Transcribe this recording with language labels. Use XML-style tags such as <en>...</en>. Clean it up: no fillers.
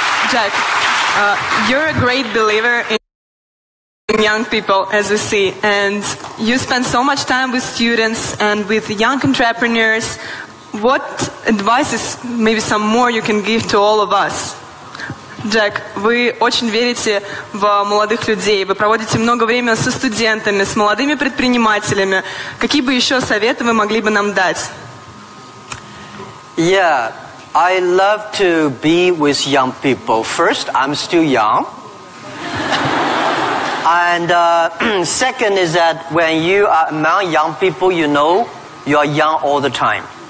<en>Jack, you're a great believer in young people, as we see. And you spend so much time with students and with young entrepreneurs. What advice is maybe some more you can give to all of us?</en> <uk>Джек, ви дуже вірите в молодих людей, ви проводите багато часу зі студентами, з молодими підприємцями. Які б ще совети ви могли б нам дати?</uk> <en>Yeah, I love to be with young people. First, I'm still young. And second is that when you are among young people, you know you are young all the time.</en>